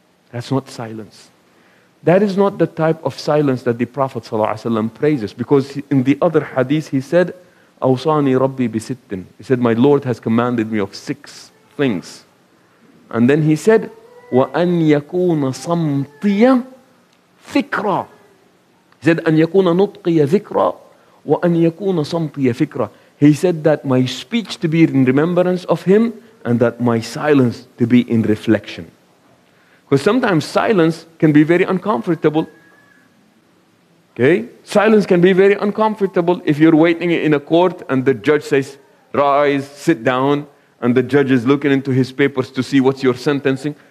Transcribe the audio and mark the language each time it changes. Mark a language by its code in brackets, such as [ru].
[en] That's not silence. That is not the type of silence that the Prophet ﷺ praises. Because in the other hadith, he said, [ar] أَوْصَانِي رَبِّي بِسِتٍ. [en] He said, my Lord has commanded me of six things. And then he said, [ar] وَأَنْ يَكُونَ صَمْتِيَ فِكْرًا. He said, أَنْ يَكُونَ نُطْقِيَ ذِكْرًا وَأَنْ يَكُونَ صَمْتِيَ فِكْرًا. [en] He said that my speech to be in remembrance of him, and that my silence to be in reflection. Because sometimes silence can be very uncomfortable. Okay? Silence can be very uncomfortable if you're waiting in a court and the judge says, rise, sit down, and the judge is looking into his papers to see what's your sentencing.